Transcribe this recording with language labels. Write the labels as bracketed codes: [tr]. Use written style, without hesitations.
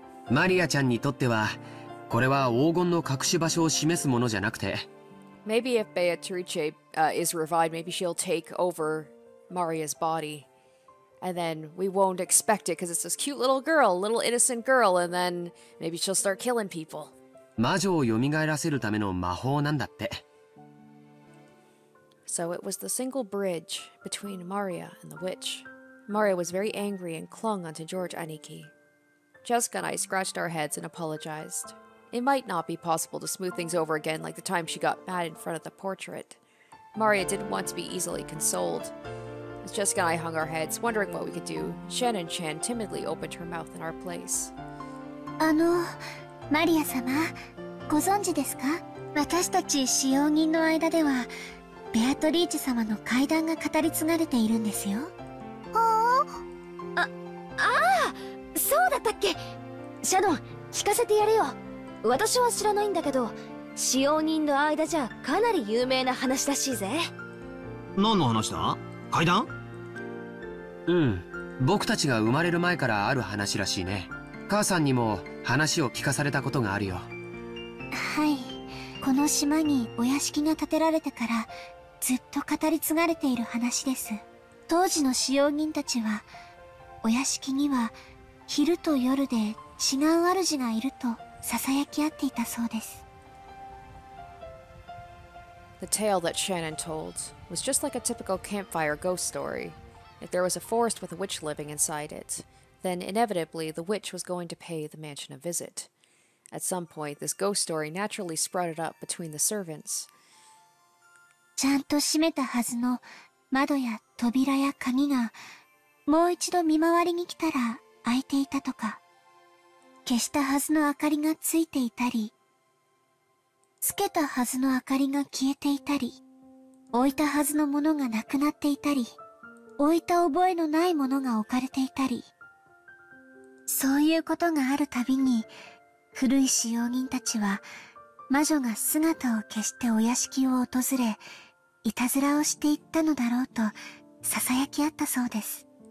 [ja] Maria-chan にとっては、これは黄金の隠し場所を示すものじゃなくて。 [en] Maybe if Beatrice is revived, maybe she'll take over Maria's body. And then we won't expect it because it's this cute little girl, little innocent girl, and then maybe she'll start killing people. [ja] 魔女を蘇らせるための魔法なんだって。 [en] So it was the single bridge between Maria and the witch. Maria was very angry and clung onto George Aniki. Jessica and I scratched our heads and apologized. It might not be possible to smooth things over again like the time she got mad in front of the portrait. Maria didn't want to be easily consoled. As Jessica and I hung our heads, wondering what we could do, Shen and Chan timidly opened her mouth in our place. [ja] Maria-sama, ご存知ですか? 私たち使用人の間では…ベアトリーチ様の怪談が語り継がれているんですよ。ほう。ああ、そうだったっけ。シャドン、聞かせてやれよ。私は知らないんだけど、使用人の間じゃかなり有名な話らしいぜ。何の話だ?怪談? うん、僕たちが生まれる前からある話らしいね。母さんにも話を聞かされたことがあるよ。はい。この島にお屋敷が建てられてからずっと語り継がれている話です。当時の使用人たちは、お屋敷には昼と夜で違う主がいると囁き合っていたそうです。 [en] The tale that Shannon told was just like a typical campfire ghost story. If there was a forest with a witch living inside it, then inevitably the witch was going to pay the mansion a visit. At some point, this ghost story naturally sprouted up between the servants. [ja] ちゃんと閉めたはずの窓や扉や鍵がもう一度見回りに来たら開いていたとか、消したはずの明かりがついていたり、つけたはずの明かりが消えていたり、置いたはずのものがなくなっていたり、置いた覚えのないものが置かれていたり、そういうことがあるたびに、古い使用人たちは魔女が姿を消してお屋敷を訪れ、いたずらをしていったのだろうと囁き合ったそうです。